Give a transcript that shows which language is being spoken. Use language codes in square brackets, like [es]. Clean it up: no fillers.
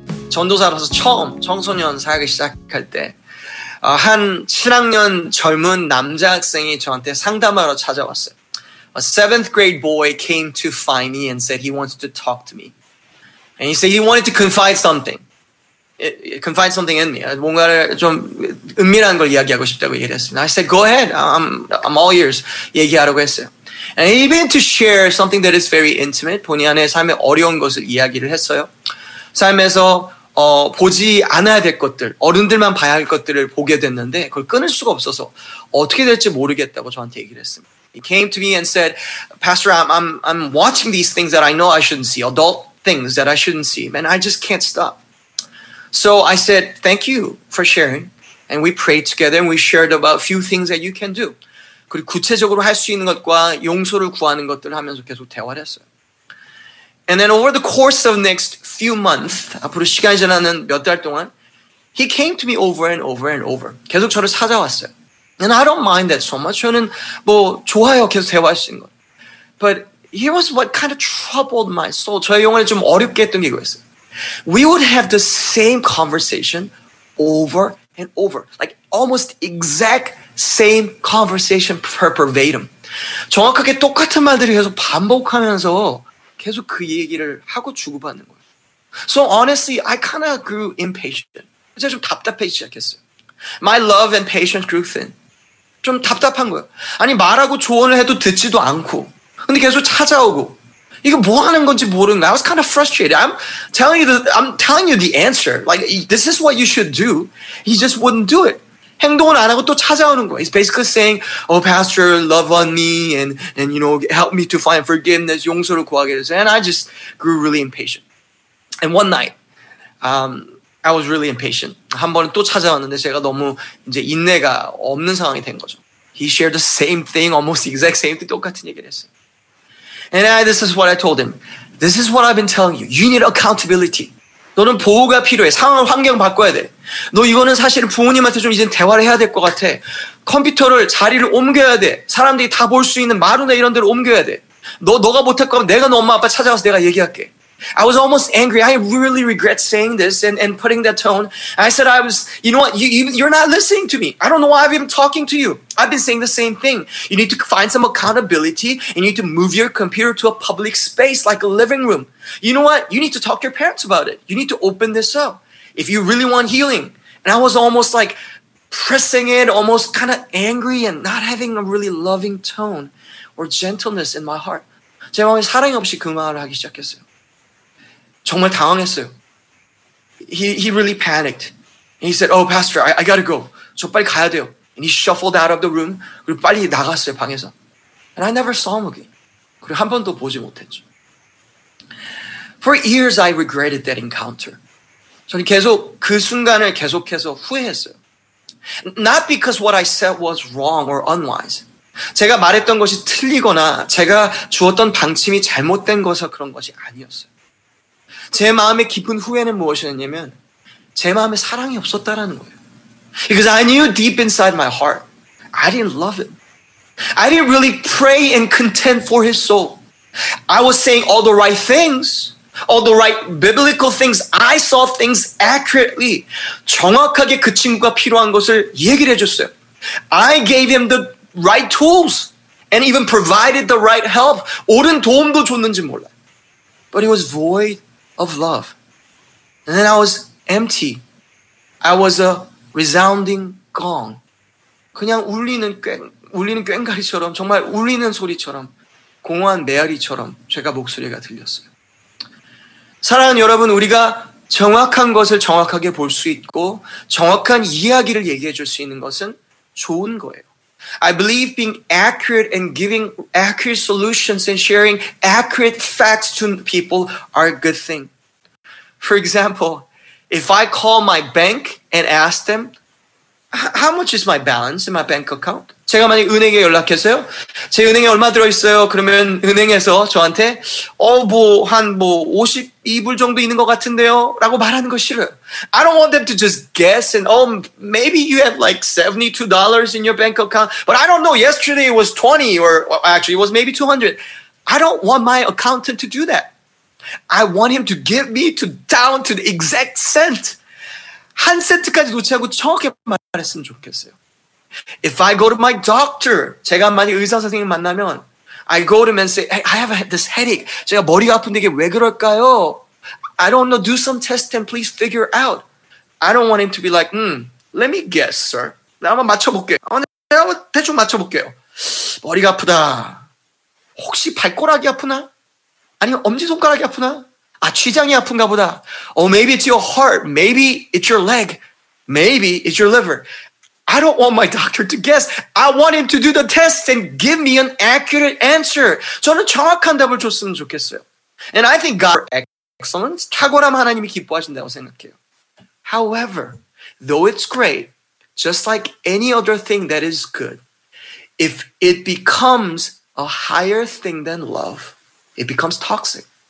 [ko] 전도사로서 처음 청소년 사역을 시작할 때 한 7학년 젊은 남자 학생이 저한테 상담하러 찾아왔어요. [en] A seventh grade boy came to find me and said he wanted to talk to me. And he said he wanted to confide something. Confide something in me. [ko] 뭔가를 좀 은밀한 걸 이야기하고 싶다고 얘기를 했어요. [en] And I said, go ahead. I'm all ears. [ko] 얘기하라고 했어요. [en] And he began to share something that is very intimate. [ko] 본인 안에 삶의 어려운 것을 이야기를 했어요. 삶에서 보지 않아야 될 것들, 어른들만 봐야 할 것들을 보게 됐는데 그걸 끊을 수가 없어서 어떻게 될지 모르겠다고 저한테 얘기를 했습니다. [en] He came to me and said, Pastor, I'm watching these things that I know I shouldn't see, adult things that I shouldn't see, and I just can't stop. So I said, thank you for sharing. And we prayed together and we shared about a few things that you can do. [ko] 그리고 구체적으로 할 수 있는 것과 용서를 구하는 것들을 하면서 계속 대화를 했어요. [en] And then over the course of next few months, [ko] 앞으로 시간이 지나는 몇 달 동안, [en] he came to me over and over and over. [ko] 계속 저를 찾아왔어요. [en] And I don't mind that so much. [ko] 저는 뭐 좋아요 계속 대화할 수 있는 것. [en] But here was what kind of troubled my soul. [ko] 저의 영혼을 좀 어렵게 했던 게 이거였어요. [en] We would have the same conversation over and over. Like almost exact same conversation verbatim. [ko] 정확하게 똑같은 말들을 계속 반복하면서 계속 그 얘기를 하고 주고받는 거예요. [en] So honestly, I kind of grew impatient. [ko] 제가 좀 답답해지기 시작했어요. [en] My love and patience grew thin. [ko] 좀 답답한 거예요. 아니 말하고 조언을 해도 듣지도 않고 근데 계속 찾아오고 이거 뭐 하는 건지 모르는 거예요. [en] I was kind of frustrated. I'm telling you the answer. Like, this is what you should do. He just wouldn't do it. [ko] 행동은 안 하고 또 찾아오는 거예요. [en] He's basically saying, oh, pastor, love on me and you know, help me to find forgiveness, [ko] 용서를 구하게 돼서. [en] And I just grew really impatient. And one night, I was really impatient. [ko] 한 번은 또 찾아왔는데 제가 너무 이제 인내가 없는 상황이 된 거죠. [en] He shared the same thing, almost the exact same thing, [ko] 똑같은 얘기를 했어요. [en] And this is what I told him. This is what I've been telling you. You need accountability. [ko] 너는 보호가 필요해. 상황, 환경 바꿔야 돼. 너 이거는 사실 부모님한테 좀 이제 대화를 해야 될 것 같아. 컴퓨터를 자리를 옮겨야 돼. 사람들이 다 볼 수 있는 마루나 이런 데를 옮겨야 돼. 너가 못할 거면 내가 너 엄마 아빠 찾아와서 내가 얘기할게. [en] I was almost angry. I really regret saying this and putting that tone. I said, you know what? You're not listening to me. I don't know why I've been talking to you. I've been saying the same thing. You need to find some accountability and you need to move your computer to a public space like a living room. You know what? You need to talk to your parents about it. You need to open this up if you really want healing. And I was almost like pressing it, almost kind of angry and not having a really loving tone or gentleness in my heart. [ko] 제 마음에 사랑이 없이 그 말을 하기 시작했어요. 정말 당황했어요. [en] He really panicked. And he said, oh, pastor, I gotta go. [ko] 저 빨리 가야 돼요. [en] And he shuffled out of the room. [ko] 그리고 빨리 나갔어요, 방에서. [en] And I never saw him again. [ko] 그리고 한 번도 보지 못했죠. [en] For years, I regretted that encounter. [ko] 저는 계속 그 순간을 계속해서 후회했어요. [en] Not because what I said was wrong or unwise. [ko] 제가 말했던 것이 틀리거나 제가 주었던 방침이 잘못된 것이 그런 것이 아니었어요. 제 마음의 깊은 후회는 무엇이었냐면 제 마음에 사랑이 없었다라는 거예요. [en] Because I knew deep inside my heart, I didn't love him. I didn't really pray and contend for his soul. I was saying all the right things, all the right biblical things. I saw things accurately. [ko] 정확하게 그 친구가 필요한 것을 얘기를 해줬어요. [en] I gave him the right tools and even provided the right help. [ko] 옳은 도움도 줬는지 몰라요. [en] But he was void of love. And then I was empty. I was a resounding gong. [ko] 그냥 울리는 꽹과리처럼 정말 울리는 소리처럼 공허한 메아리처럼 제가 목소리가 들렸어요. 사랑하는 여러분, 우리가 정확한 것을 정확하게 볼 수 있고 정확한 이야기를 얘기해 줄 수 있는 것은 좋은 거예요. [en] I believe being accurate and giving accurate solutions and sharing accurate facts to people are a good thing. For example, if I call my bank and ask them, how much is my balance in my bank account? [ko] 제가 만약 은행에 연락했어요. 제 은행에 얼마 들어있어요? 그러면 은행에서 저한테 52불 정도 있는 것 같은데요? 라고 말하는 거 싫어요. [en] I don't want them to just guess and oh, maybe you have like $72 in your bank account. But I don't know. Yesterday it was 20 or actually it was maybe 200. I don't want my accountant to do that. I want him to give me to down to the exact cent. [ko] 한 센트까지 놓지 않고 정확히 말했으면 좋겠어요. [en] If I go to my doctor, [ko] 제가 만약 의사 선생님 만나면, [en] I go to him and say, hey, I have this headache. [ko] 제가 머리가 아픈데 이게 왜 그럴까요? [en] I don't know. Do some tests and please figure out. I don't want him to be like, let me guess, sir. [ko] 한번 맞춰볼게요. 한번 대충 맞춰볼게요. 머리가 아프다. 혹시 발가락이 아프나? 아니면 엄지손가락이 아프나? 아, 취장이 아픈가 보다. [en] Oh, maybe it's your heart. Maybe it's your leg. Maybe it's your liver. I don't want my doctor to guess. I want him to do the test and give me an accurate answer. [ko] 저는 정확한 답을 줬으면 좋겠어요. [en] And I think God excellence, [ko] 탁월함 하나님이 기뻐하신다고 생각해요. [en] However, though it's great, just like any other thing that is good, if it becomes a higher thing than love, it becomes toxic.